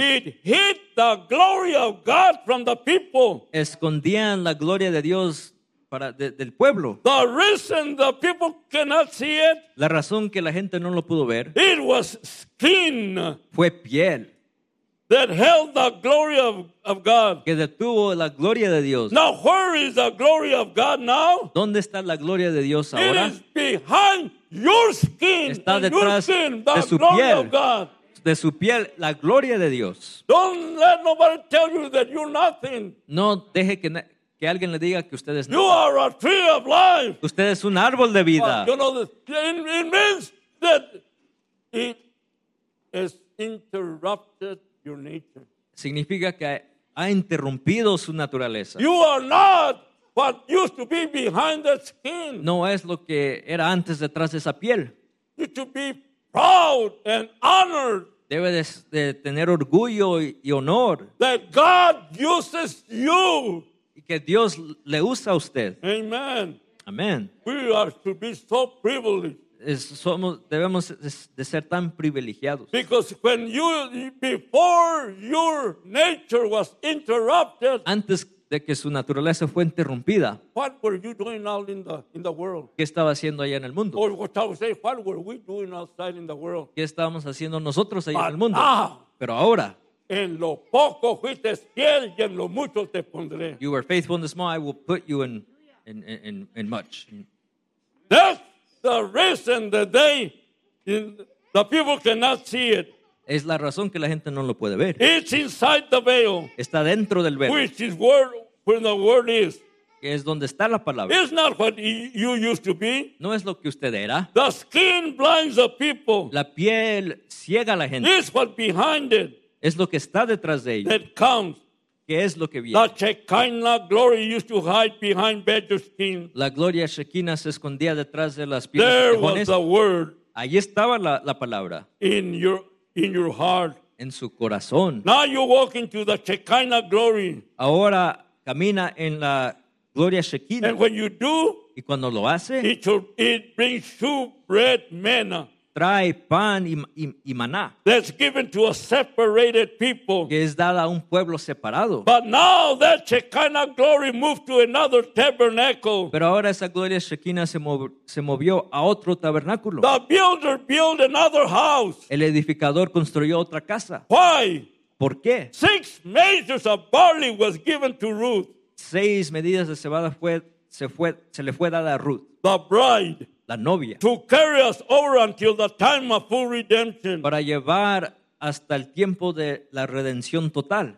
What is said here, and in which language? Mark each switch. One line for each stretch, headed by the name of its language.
English: It hid the glory of God from the people.
Spanish: Escondían la gloria de Dios para del pueblo.
English: The reason the people cannot see it.
Spanish: La razón que la gente no lo pudo ver.
English: It was skin.
Spanish: Fue piel.
English: That held the glory of God.
Spanish: Que detuvo la gloria de Dios.
English: Now where is the glory of God now?
Spanish: ¿Dónde está la gloria de Dios ahora?
English: It is behind your skin.
Spanish: Está detrás
English: your skin, the
Spanish: de su
English: glory
Spanish: piel.
English: Of God.
Spanish: De su piel, la gloria de Dios.
English: Don't let nobody tell you that you're nothing.
Spanish: No deje que alguien le diga que usted es nada.
English: You are a tree of life.
Spanish: Usted es un árbol de vida.
English: Well, you know, it means that it is interrupted. Your nature.
Spanish: Significa que ha interrumpido su naturaleza.
English: You are not what used to be behind that skin.
Spanish: No es lo que era antes detrás de esa piel.
English: You should be proud and honored.
Spanish: Debe de tener orgullo y honor.
English: That God uses you.
Spanish: Y que Dios le usa a usted.
English: Amen.
Spanish: Amen.
English: We are to be so privileged.
Spanish: Debemos de ser tan privilegiados.
English: Because when you, before your nature was interrupted,
Spanish: antes de que su naturaleza fue interrumpida,
English: what were you doing out in the world?
Spanish: ¿Qué estaba haciendo allá en el mundo?
English: Or what I would say, what were we doing outside in the world?
Spanish: ¿Qué estábamos haciendo nosotros allá
English: But
Spanish: en el mundo?
English: Now,
Spanish: pero ahora, en lo poco fuiste fiel y en lo mucho te pondré.
English: You were faithful in the small, I will put you in much. That's the reason that the people cannot see it.
Spanish: Es la razón que la gente no lo puede ver.
English: It's inside the veil.
Spanish: Está dentro del velo.
English: Which is where the word is.
Spanish: Que es donde está la palabra.
English: It's not what you used to be.
Spanish: No es lo que usted era.
English: The skin blinds the people.
Spanish: La piel ciega a la gente.
English: It's what behind it.
Spanish: Es lo que está detrás de ellos.
English: That comes.
Spanish: ¿Qué es lo que viene?
English: The Shekinah glory used to hide behind badger skin.
Spanish: La gloria Shekinah se escondía detrás de las pieles.
English: There
Spanish: de tejones.
English: Was the word.
Spanish: Allí estaba la palabra.
English: In your heart.
Spanish: En su corazón.
English: Now you walk into the Shekinah glory.
Spanish: Ahora camina en la gloria Shekinah.
English: And when you do.
Spanish: Y cuando lo hace.
English: It brings you bread manna.
Spanish: Trae pan y maná.
English: That's given to a separated people.
Spanish: Que es dada a un pueblo separado.
English: But now that Shekinah glory moved to another tabernacle.
Spanish: Pero ahora esa gloria Shekinah se movió a otro tabernáculo.
English: The builder built another house.
Spanish: El edificador construyó otra casa.
English: Why?
Spanish: ¿Por qué?
English: 6 measures of barley was given to Ruth.
Spanish: 6 medidas de cebada se le fue dada a Ruth.
English: The bride.
Spanish: La novia.
English: To carry us over until the time of full redemption.
Spanish: Para llevar hasta el tiempo de la redención total.